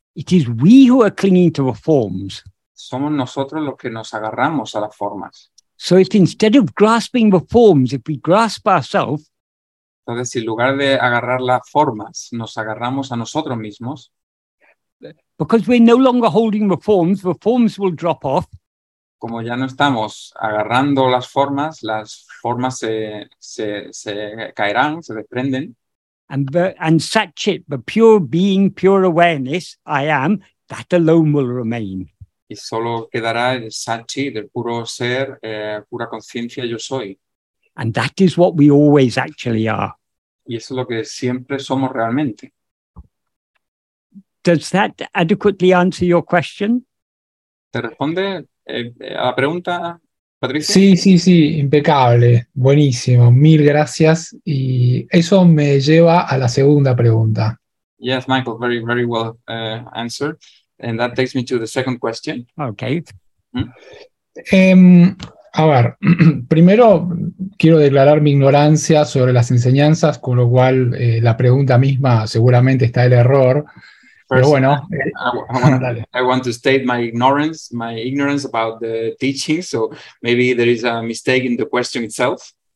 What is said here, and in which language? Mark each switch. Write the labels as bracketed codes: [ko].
[en] It is we who are clinging to the forms. [es] Somos nosotros los que nos agarramos a las formas. [en] So if instead of grasping the forms, if we grasp ourselves. [es] Entonces, si en lugar de agarrar las formas, nos agarramos a nosotros mismos. [en] Because we're no longer holding the forms will drop off. [es] Como ya no estamos agarrando las formas se caerán, se desprenden. [en] And Satchit, the pure being, pure awareness, I am, that alone will remain. [es] Y solo quedará el Satchit, el puro ser, pura conciencia, yo soy. [en] And that is what we always actually are. [es] Y eso es lo que siempre somos realmente. [en] Does that adequately answer your question? [es] ¿Te responde a la pregunta, Patricia? Sí, sí, sí, impecable, buenísimo, mil gracias. Y eso me lleva a la segunda pregunta. [en] Yes, Michael, very, very well answered. And that takes me to the second question. Okay. [es] A ver, primero quiero declarar mi ignorancia sobre las enseñanzas, con lo cual la pregunta misma seguramente está el error. [en] First, [es] pero bueno, [en] I want to state my ignorance about the teaching, so maybe there is a mistake in the question itself.